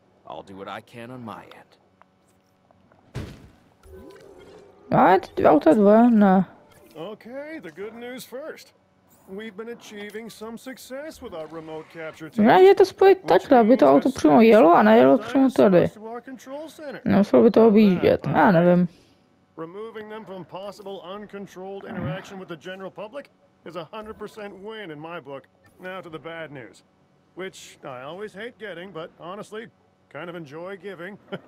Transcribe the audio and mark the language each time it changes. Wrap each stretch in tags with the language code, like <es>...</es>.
<en>I'll do what I can on my end.</en> <cs>Ale ty dvě auta dvě, ne.</cs> <en>Okay, the good news first. We've been achieving some success with our remote capture team.</en> <cs>Ne, je to spojit takhle, aby to auto přímo jelo a najelo přímo tady. Nemuselo by to objíždět, já nevím.</cs> <en>Removing them from possible uncontrolled interaction with the general public is a 100% win in my book. Now to the bad news, which I always hate getting, but honestly, kind of enjoy giving.</en>